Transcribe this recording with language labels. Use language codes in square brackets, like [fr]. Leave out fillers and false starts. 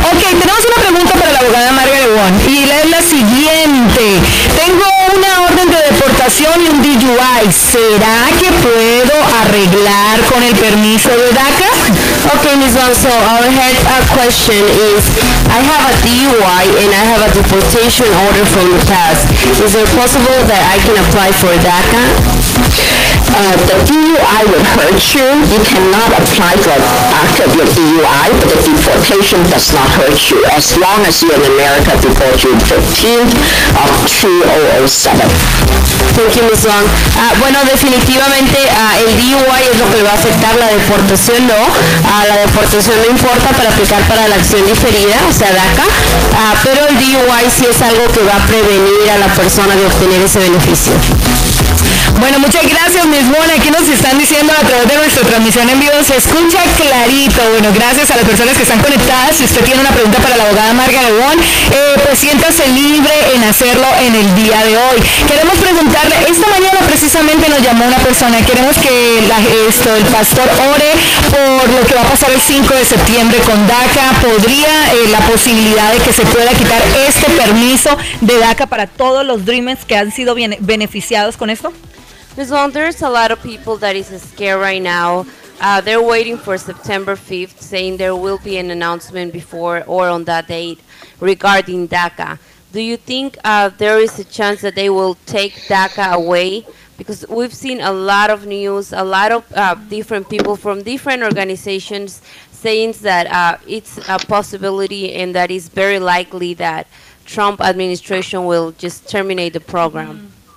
[es] Ok, tenemos una pregunta para la abogada Margaret Wong. Y es la siguiente. Tengo una orden de deportación y un DUI. ¿Será que puedo arreglar con el permiso de DACA? [en] Ok, Miss Wong, so our head question is, I have a DUI and I have a deportation order from CAS. Is it possible that I can apply for DACA? The DUI would hurt you. You cannot apply for DACA with DUI, but the deportation does not hurt you as long as you're in America before June 15th of 2007. Thank you, Ms. Wong. [es] Bueno, definitivamente el DUI es lo que le va a afectar, la deportación no. La deportación no importa para aplicar para la acción diferida, o sea, DACA, pero el DUI sí es algo que va a prevenir a la persona de obtener ese beneficio. Bueno, muchas gracias, Ms. Wong. Aquí nos están diciendo a través de nuestra transmisión en vivo, se escucha clarito. Bueno, gracias a las personas que están conectadas. Si usted tiene una pregunta para la abogada Margaret Wong, pues siéntase libre en hacerlo en el día de hoy. Queremos preguntarle, esta mañana precisamente nos llamó una persona, queremos que el pastor ore por lo que va a pasar el 5 de septiembre con DACA. ¿Podría la posibilidad de que se pueda quitar este permiso de DACA para todos los Dreamers que han sido beneficiados con esto? [en] Ms. Wong, there's a lot of people that is scared right now. They're waiting for September 5th, saying there will be an announcement before or on that date regarding DACA. Do you think there is a chance that they will take DACA away? Because we've seen a lot of news, a lot of different people from different organizations saying that it's a possibility and that it's very likely that Trump administration will just terminate the program.